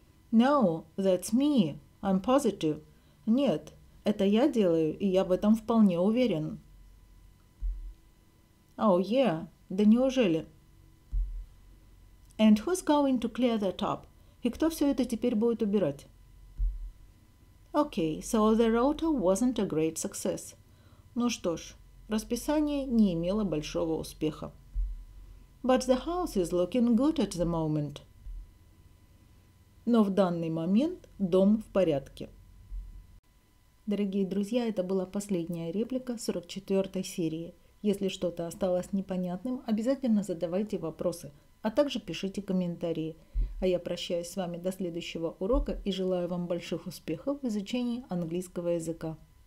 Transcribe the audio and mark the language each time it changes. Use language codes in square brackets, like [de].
[en] No, that's me. I'm positive. [ru] Нет, это я делаю, и я в этом вполне уверен. [en] Oh, yeah. [ru] Да неужели? [en] And who's going to clear that up? [ru] И кто все это теперь будет убирать? [en] Okay, so the rota wasn't a great success. [ru] Ну что ж, расписание не имело большого успеха. [en] But the house is looking good at the moment. [ru] Но в данный момент дом в порядке. Дорогие друзья, это была последняя реплика 44-й серии. Если что-то осталось непонятным, обязательно задавайте вопросы, а также пишите комментарии. А я прощаюсь с вами до следующего урока и желаю вам больших успехов в изучении английского языка.